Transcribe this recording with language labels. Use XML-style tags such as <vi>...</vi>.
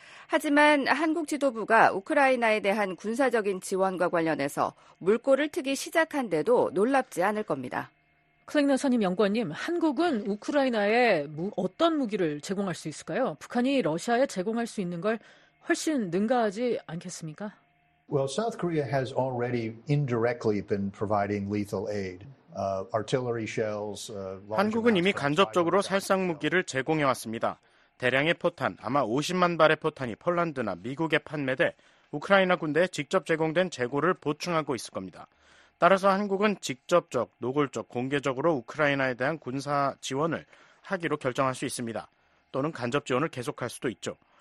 <ko>하지만 한국 지도부가 우크라이나에 대한 군사적인 지원과 관련해서 물꼬를 트기 시작한데도 놀랍지 않을 겁니다. 클랭너 선임 연구원님, 한국은 우크라이나에 어떤 무기를 제공할 수 있을까요? 북한이 러시아에 제공할 수 있는 걸 훨씬 능가하지 않겠습니까?</ko> <en>Well, South Korea has already indirectly been providing lethal aid. Artillery shells,</en> <ko>한국은 이미 간접적으로 살상 무기를 제공해 왔습니다. 대량의 포탄, 아마 50만 발의 포탄이 폴란드나 미국에 판매돼 우크라이나 군대에 직접 제공된 재고를 보충하고 있을 겁니다. 따라서 한국은 직접적, 노골적, 공개적으로 우크라이나에 대한 군사 지원을 하기로 결정할 수 있습니다. 또는 간접 지원을 계속할 수도 있죠.</ko>